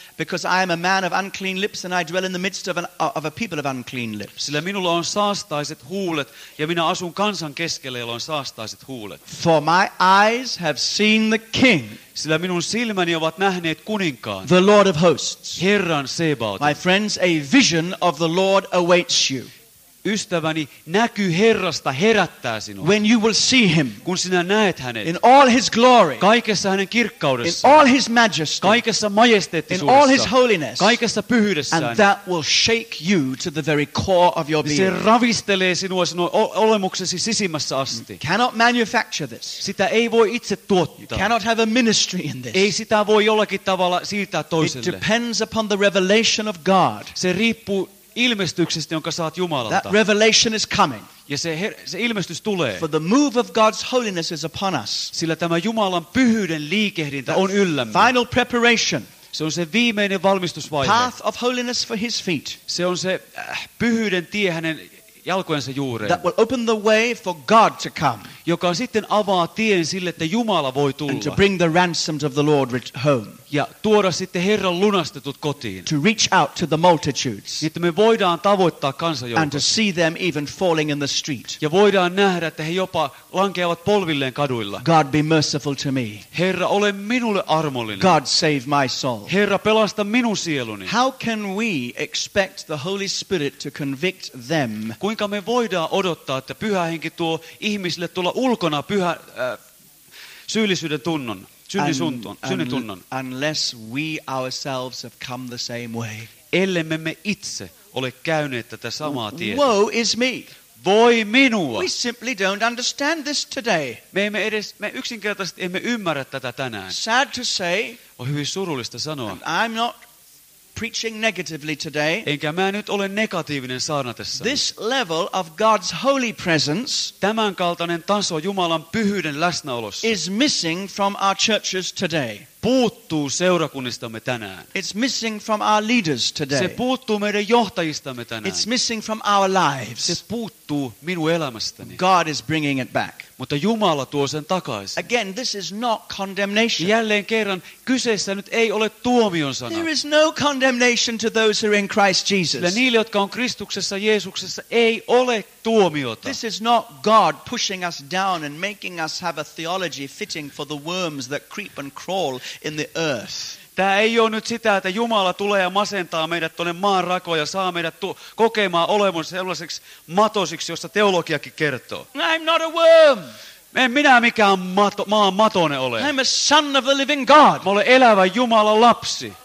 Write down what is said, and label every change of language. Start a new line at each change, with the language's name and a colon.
English: because I am a man of unclean lips and I dwell in the midst of a people of unclean lips.
Finnish: Sillä minulla on saastaiset huulet ja minä asun kansan keskellä, jolla on saastaiset huulet.
English: For my eyes have seen the King.
Finnish: Sillä minun silmäni ovat nähneet kuninkaan.
English: The Lord of hosts.
Finnish: Herran Sebaot.
English: My friends, a vision of the Lord awaits you.
Finnish: Ystäväni, näky Herrasta herättää sinua.
English: When you will see him,
Finnish: kun sinä näet hänet,
English: in all his glory,
Finnish: kaikessa hänen kirkkaudessaan,
English: in all his majesty,
Finnish: kaikessa majesteettisuudessaan,
English: in all his holiness,
Finnish: kaikessa pyhyydessään,
English: and that will shake you to the very core of your being.
Finnish: Se ravistelee sinua olemuksesi sisimmässä asti.
English: You cannot manufacture this.
Finnish: Sitä ei voi itse tuottaa.
English: You cannot have a ministry in this.
Finnish: Ei sitä voi jollakin tavalla siirtää toiselle.
English: It depends upon the revelation of God.
Finnish: Se riippuu ilmestyksestä, jonka saat Jumalalta.
English: That revelation is coming.
Finnish: Ja se ilmestys tulee.
English: For the move of God's holiness is upon us.
Finnish: Sillä tämä Jumalan pyhyyden liikehdintä on yllämme.
English: Final preparation.
Finnish: Se on se viimeinen valmistusvaihe.
English: Path of holiness for his feet.
Finnish: Se on se pyhyyden tie hänen jalkojensa juureen.
English: That will open the way for God to come.
Finnish: Joka sitten avaa tien sille, että Jumala voi tulla.
English: And to bring the ransoms of the Lord home.
Finnish: Ja tuoda sitten Herran lunastetut kotiin.
English: To reach out to the multitudes.
Finnish: Niin, että me voidaan tavoittaa kansanjoukot.
English: And to see them even falling in the street.
Finnish: Ja voidaan nähdä, että he jopa lankeavat polvilleen kaduilla.
English: God be merciful to me.
Finnish: Herra, ole minulle armollinen.
English: God save my soul.
Finnish: Herra, pelasta minun sieluni.
English: How can we expect the Holy Spirit to convict them?
Finnish: Kuinka me voidaan odottaa, että Pyhä Henki tuo ihmisille tulla ulkona pyhä syyllisyyden tunnon? Synnin tunnon.
English: Unless we ourselves have come the same way.
Finnish: Ellemme me itse ole käyneet tätä samaa tietä.
English: Woe is me.
Finnish: Voi minua.
English: We simply don't understand this today.
Finnish: Me yksinkertaisesti emme ymmärrä tätä tänään.
English: Sad to say.
Finnish: On hyvin surullista sanoa.
English: I'm not preaching negatively today.
Finnish: Enkä mä nyt ole negatiivinen saarnatessa.
English: This level of God's holy presence,
Finnish: tämän kaltainen taso Jumalan pyhyyden läsnäolossa,
English: is missing from our churches today.
Finnish: Puuttuu seurakunnistamme tänään.
English: It's missing from our leaders today.
Finnish: Se puuttuu meidän johtajistamme tänään.
English: It's missing from our lives.
Finnish: Se puuttuu minun elämästäni.
English: God is bringing it back.
Finnish: Mutta Jumala tuo sen takaisin.
English: Again, this is not condemnation.
Finnish: Jälleen kerran, kyseessä nyt ei ole tuomion sana.
English: There is no condemnation to those who are in Christ Jesus.
Finnish: Sillä niille, jotka on Kristuksessa Jeesuksessa, ei ole tuomiota.
English: This is not God pushing us down and making us have a theology fitting for the worms that creep and crawl in the earth.
Finnish: Tämä ei ole nyt sitä, että Jumala tulee ja masentaa meidät tuonne maan rakoon ja saa meidät kokemaan olemus sellaiseksi matosiksi, josta teologiakin kertoo.
English: I'm not a worm.
Finnish: En minä mikään maan matone ole.
English: I'm a son of the living God.
Finnish: Mä olen elävä Jumalan lapsi.